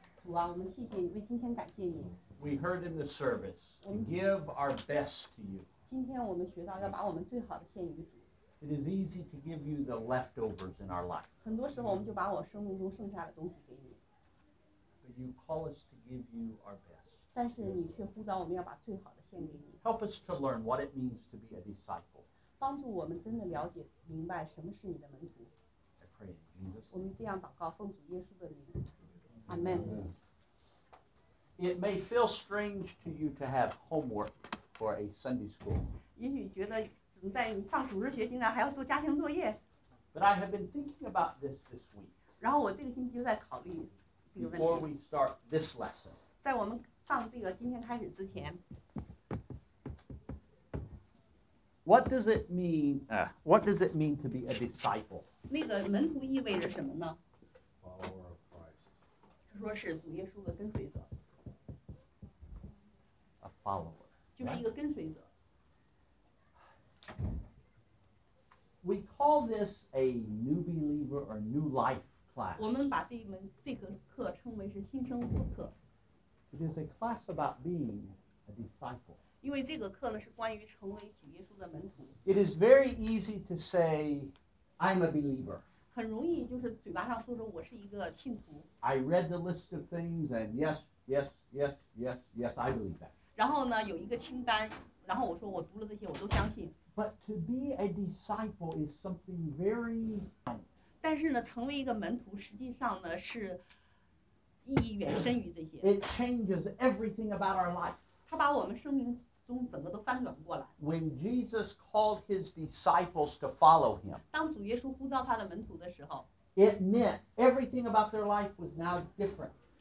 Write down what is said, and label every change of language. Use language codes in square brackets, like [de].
[zh] 主啊, 我们谢谢你, 为今天感谢你。 [en] We heard in the service, give our best to you. [zh] 今天我们学到要把我们最好的献于主。 [en] It is easy to give you the leftovers in our life. [zh] 很多时候我们就把我生命中剩下的东西给你。 [en] But you call us to give you our best. [zh] 但是你却呼召我们要把最好的献给你。 [en] Help us to learn what it means to be a disciple. [zh] 帮助我们真的了解明白什么是你的门徒。 [en] I pray in Jesus' name. [zh] 我们这样祷告奉主耶稣的名。 [en] Amen. It may feel strange to you to have homework for a Sunday school. [zh] 也许觉得怎么在上主日学竟然还要做家庭作业。 [en] But I have been thinking about this week. [zh] 然后我这个星期就在考虑这个问题。 [en] Before we start this lesson. [zh] 在我们上这个今天开始之前。 [en] What does it mean, what does it mean to be a disciple? [zh] 那个门徒意味着什么呢? [en] Follower of Christ. [zh] 他说是主耶稣的跟随者。 [en] A follower. [zh] 就是一个跟随者。 [en] We call this a new believer or new life class. [zh] 我们把这个课称为是新生活课。 [en] It is a class about being a disciple. [zh] 因为这个课呢是关于成为主耶稣的门徒。 [en] It is very easy to say, I'm a believer. [zh] 很容易就是嘴巴上说说我是一个信徒。 [en] I read the list of things and yes, I believe that. [zh] 然后呢有一个清单，然后我说我读了这些我都相信。 [en] But to be a disciple is something very different. [zh] 但是呢成为一个门徒实际上呢是意义远深于这些。 [en] It changes everything about our life. [zh] 它把我们生命 [en] When Jesus called his disciples to follow him, it meant everything about their life was now different.